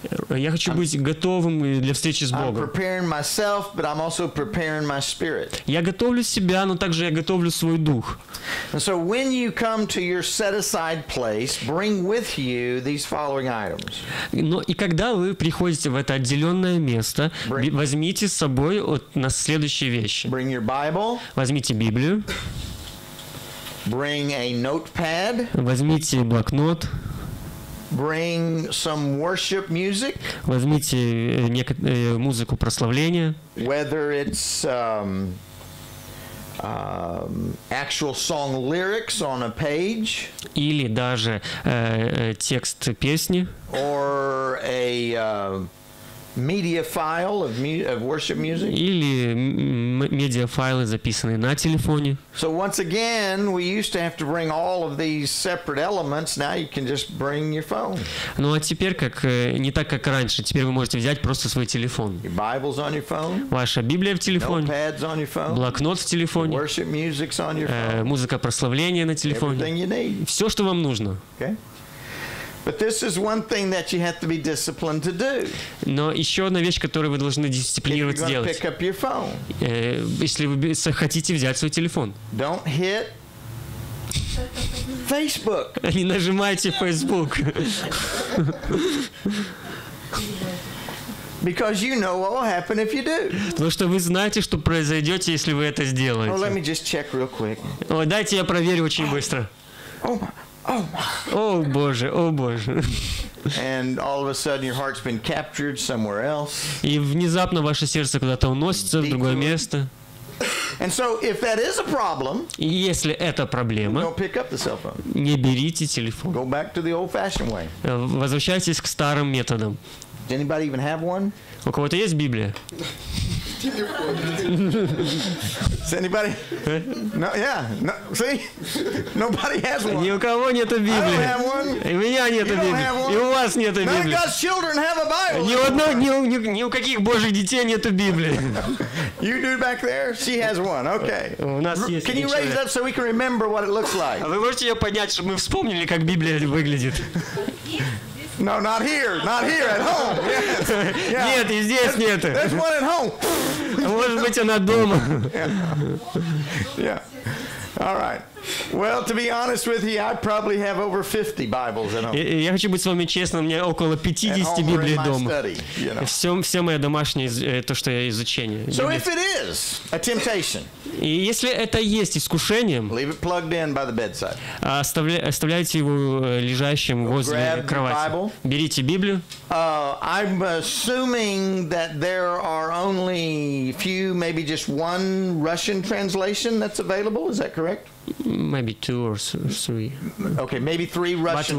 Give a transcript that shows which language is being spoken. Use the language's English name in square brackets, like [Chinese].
[Russian] Я хочу быть готовым для встречи с Богом. [English] I'm preparing myself, but I'm also preparing my spirit. [Russian] Я готовлю себя, но также я готовлю свой дух. [English] And so when you come to your set-aside place, bring with you these following items. [Russian] Но и когда вы приходите в это отделенное место, возьмите с собой на следующие вещи. [English] Bring your Bible. [Russian] Возьмите Библию. [English] Bring a notepad. [Russian] Возьмите блокнот. [English] Bring some worship music. [Russian] Возьмите музыку прославления. [English] Whether it's actual song lyrics on a page. [Russian] Или даже текст песни. [English] Or a media file of worship music. [Russian] Или медиафайлы, записанные на телефоне. [English] So once again, we used to have to bring all of these separate elements. Now you can just bring your phone. [Russian] Ну а теперь как не так как раньше. Теперь вы можете взять просто свой телефон. [English] Your Bible's on your phone. [Russian] Ваша Библия в телефоне. [English] Notepad's on your phone. [Russian] Блокнот в телефоне. [English] Worship music's on your phone. [Russian] Музыка прославления на телефоне. [English] Everything you need. [Russian] Все, что вам нужно. [English] Okay. But this is one thing that you have to be disciplined to do. [Russian] Но еще одна вещь, которую вы должны дисциплинировать сделать. [English] If you're going to pick up your phone. [Russian] Если вы хотите взять свой телефон. [English] Don't hit Facebook. [Russian] Не нажимайте Facebook. [English] Because you know what will happen if you do. [Russian] Потому что вы знаете, что произойдет, если вы это сделаете. [English] Oh, let me just check real quick. [Russian] Ой, дайте я проверю очень быстро. Oh, Боже, о, Боже. [English] And all of a sudden your heart's been captured somewhere else. [Russian] И внезапно ваше сердце куда-то уносится в другое место. [English] And so if that is a problem, [Russian] если это проблема, [English] don't pick up the cell phone. [Russian] Не берите телефон. [English] Go back to the old-fashioned way. [Russian] Возвращайтесь к старым методам. [English] Does anybody even have one? [Russian] У кого-то есть Библия? [English] Does anybody? No, yeah. No, see? Nobody has one. [Russian] Ни у кого нет Библии. [English] I don't have one. [Russian] И у меня нет Библии. И у вас нет Библии. [English] None of God's children have a Bible. [Russian] Ни у каких Божьих детей нет Библии. [English] You do back there? She has one. Okay. [Russian] У нас есть. [English] Can you raise it up so we can remember what it looks like? [Russian] А вы можете ее поднять, чтобы мы вспомнили, как Библия выглядит? [English] No, not here. Not here at home. Yes. Yeah. [Russian] Нет, и здесь нет. [English] There's one at home. [Russian] Может быть, она дома. [English] Yeah. All right. Well, to be honest with you, I probably have over 50 Bibles at home. [Russian] Я хочу быть с вами честным, у меня около 50 Библий дома. Все мое домашнее, то, что я изучаю. [English] So if it is a temptation. [Russian] И если это есть искушением, [English] leave it plugged in by the bedside. [Russian] Оставляйте его лежащим возле кровати. Берите Библию. [English] I'm assuming that there are only a few, maybe just one Russian translation that's available. Is that correct? Maybe two or three. Okay, maybe three Russian.